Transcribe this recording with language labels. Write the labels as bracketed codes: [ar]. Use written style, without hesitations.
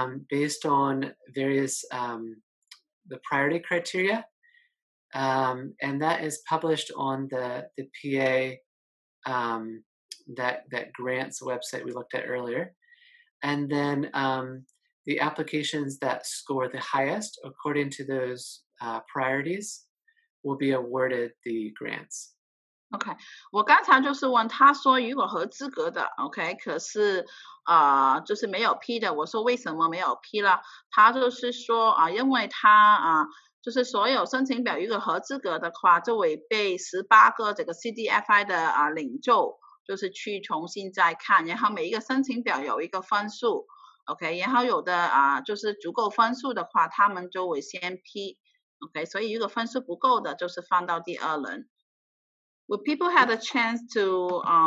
[en] based on various the priority criteria, and that is published on the PA that grants website we looked at earlier. And then the applications that score the highest according to those priorities will be awarded the grants. [zh] Okay, 我刚才就是问他说如果合资格的, okay, 可是, 就是没有批的, 我说为什么没有批了, 他就是说, 因为他, 就是所有申请表如果合资格的话, 就会被18个这个CDFI的, 领袖, 就是去重新再看, 然后每一个申请表有一个分数, okay, 然后有的, 就是足够分数的话, 他们就会先批, okay, 所以如果分数不够的, 就是放到第二轮。 [en] Will people have a chance to